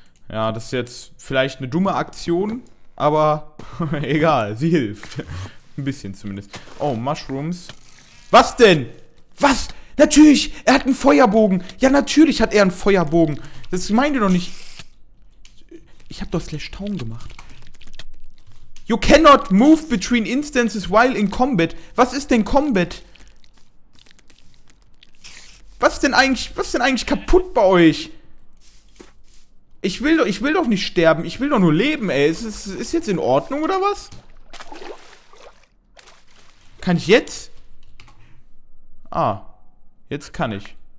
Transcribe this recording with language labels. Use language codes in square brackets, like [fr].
[de] Ja, das ist jetzt vielleicht eine dumme Aktion, aber egal, sie hilft. Ein bisschen zumindest. Oh, Mushrooms. Was denn? Was? Natürlich, er hat einen Feuerbogen. Ja, natürlich hat er einen Feuerbogen. Das meint ihr doch nicht. Ich habe doch Slash Town gemacht. [en] You cannot move between instances while in combat. [de] Was ist denn Combat? Was ist denn eigentlich kaputt bei euch? Ich will doch nicht sterben. Ich will doch nur leben, ey. Ist jetzt in Ordnung, oder was? Kann ich jetzt? Ah. Jetzt kann ich.